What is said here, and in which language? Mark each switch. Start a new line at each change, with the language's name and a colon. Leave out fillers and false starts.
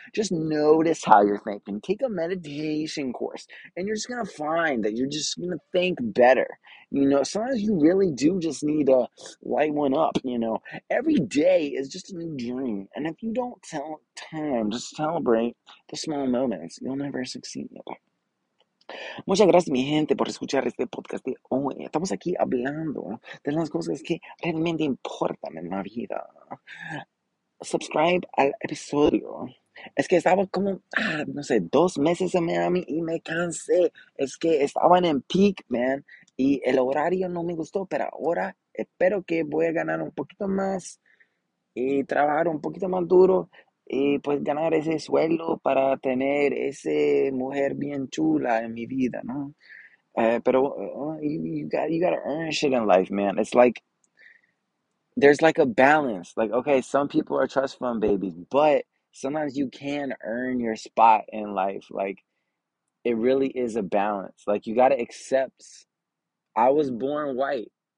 English: Just notice how you're thinking. Take a meditation course, and you're just gonna find that you're just gonna think better. You know, sometimes you really do just need to light one up, you know. Every day is just a new dream. And if you don't tell time, just celebrate the small moments, you'll never succeed.
Spanish: Muchas gracias, mi gente, por escuchar este podcast de hoy. Estamos aquí hablando de las cosas que realmente importan en la vida. Subscribe al episodio. Es que estaba como, no sé, 2 meses en Miami y me cansé. Es que estaban en
English: peak, man,
Spanish: y el horario no me gustó. Pero ahora espero que voy a ganar un poquito más y trabajar un poquito más duro. Y pues ganar ese sueldo para tener esa mujer bien chula en mi vida, ¿no?
English: Pero you gotta earn shit in life, man. It's like, there's like a balance. Like, okay, some people are trust fund babies, but sometimes you can earn your spot in life. Like, it really is a balance. Like, you gotta accept, I was born white.